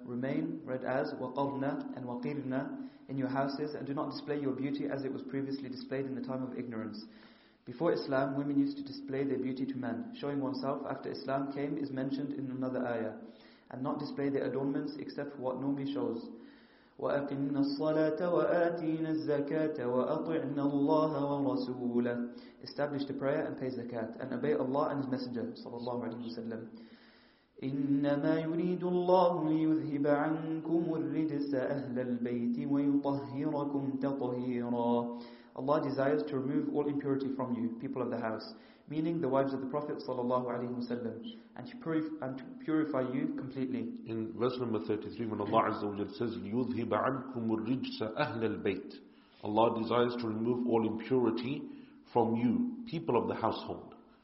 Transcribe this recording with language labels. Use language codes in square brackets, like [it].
[en] Remain, read as, وَقَرْنَ and وَقِرْنَ, in your houses, and do not display your beauty as it was previously displayed in the time of ignorance. Before Islam, women used to display their beauty to men. Showing oneself after Islam came is mentioned in another ayah, and not display their adornments except for what normally shows. [ar] وأقمنا الصلاة وآتينا الزكاة وأطعنا الله ورسوله. [en] Establish the prayer and pay zakat, and obey Allah and His Messenger صلى الله عليه وسلم. [ar] إنما يريد الله ليذهب عنكم الرجس أهل البيت ويطهركم تطهيرا. [en] Allah desires to remove all impurity from you, people of the house, meaning the wives of the Prophet sallallahu alaihi wasallam, and to purify you completely. In verse number 33, when Allah Azza wa Jalla says, [ar] "Yudhib ankum rijsa ahl al-bayt," [en] Allah desires to remove all impurity from you, people of the household.